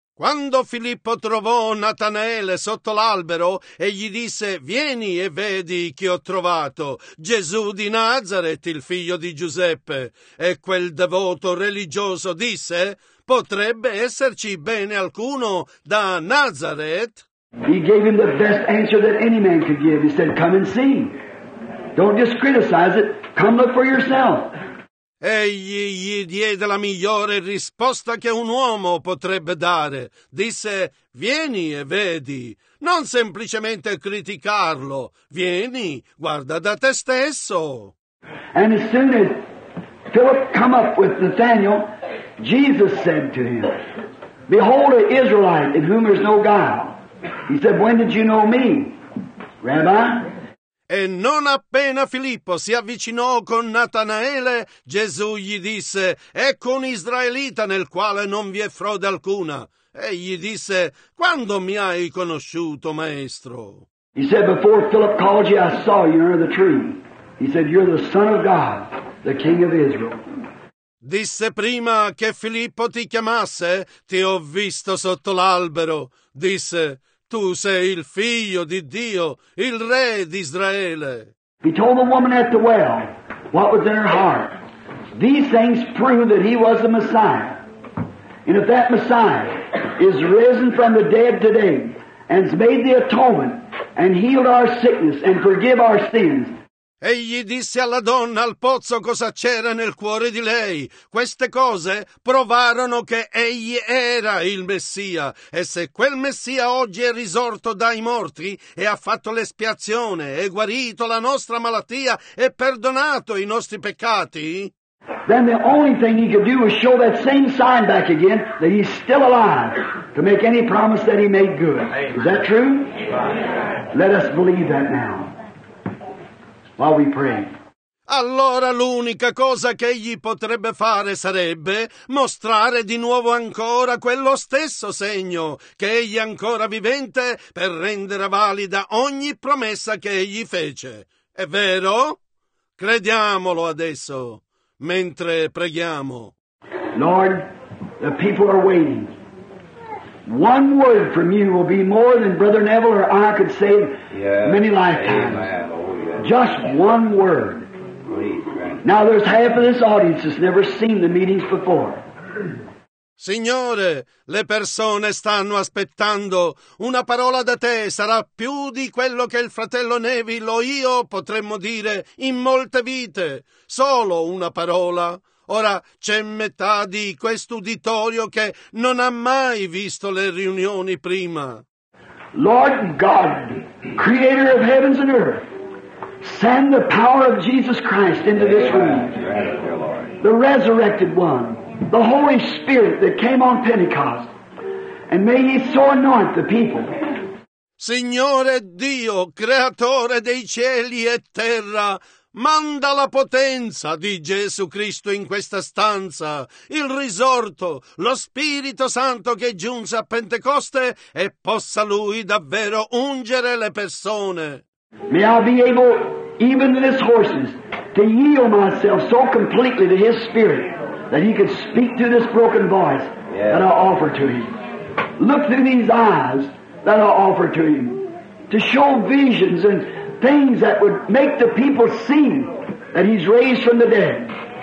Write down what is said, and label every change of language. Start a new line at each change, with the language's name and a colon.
Italian: Quando Filippo trovò Natanaele sotto l'albero e gli disse, vieni e vedi chi ho trovato, Gesù di Nazareth, il figlio di Giuseppe. E quel devoto religioso disse, potrebbe esserci bene alcuno da Nazareth?
English: He gave him the best answer that any man could give. He said, come and see. Don't just criticize it. Come look for yourself.
Italian: Egli gli diede la migliore risposta che un uomo potrebbe dare. Disse, vieni e vedi, non semplicemente criticarlo. Vieni, guarda da te stesso.
English: And as soon as Philip come up with Nathanael, Jesus said to him, behold an Israelite in whom there's no guile. He said, when did you know me, Rabbi?
Italian: E non appena Filippo si avvicinò con Natanaele, Gesù gli disse, ecco un israelita nel quale non vi è frode alcuna. E gli disse, quando mi hai conosciuto, maestro?
English: He said, before Philip called you, I saw you under the tree. He said, you're the son of God, the king of Israel.
Italian: Disse, prima che Filippo ti chiamasse, ti ho visto sotto l'albero. Disse, tu sei il figlio di Dio, il re di Israele.
English: He told the woman at the well what was in her heart. These things prove that he was the Messiah. And if that Messiah is risen from the dead today and has made the atonement and healed our sickness and forgive our sins.
Italian: Egli disse alla donna al pozzo cosa c'era nel cuore di lei. Queste cose provarono che egli era il Messia. E se quel Messia oggi è risorto dai morti e ha fatto l'espiazione e guarito la nostra malattia e perdonato i nostri peccati,
English: then the only thing he could do was show that same sign back again that he's still alive to make any promise that he made good. Is that true? Let us believe that now. While we pray.
Italian: Allora l'unica cosa che egli potrebbe fare sarebbe mostrare di nuovo ancora quello stesso segno che egli è ancora vivente per rendere valida ogni promessa che egli fece. È vero? Crediamolo adesso, mentre preghiamo.
English: Lord, the people are waiting. One word from you will be more than Brother Neville or I could say many lifetimes. Amen. Just one word. Please, now there's half of this audience that's never seen the meetings before.
Italian: Signore, le persone stanno aspettando una parola da te, sarà più di quello che il fratello Neville o io potremmo dire in molte vite, solo una parola. Ora c'è metà di quest'uditorio che non ha mai visto le riunioni prima.
English: Lord God, creator of heavens and earth, send the power of Jesus Christ into this room, the resurrected one, the Holy Spirit that came on Pentecost, and may He so anoint the people.
Italian: Signore Dio, creatore dei cieli e terra, manda la potenza di Gesù Cristo in questa stanza, il risorto, lo Spirito Santo che giunse a Pentecoste e possa Lui davvero ungere le persone.
English: May I be able, even to his horses, to yield myself so completely to His Spirit that He could speak through this broken voice that I offer to Him. Look through these eyes that I offer to Him to show visions and things that would make the people see that He's raised from the dead.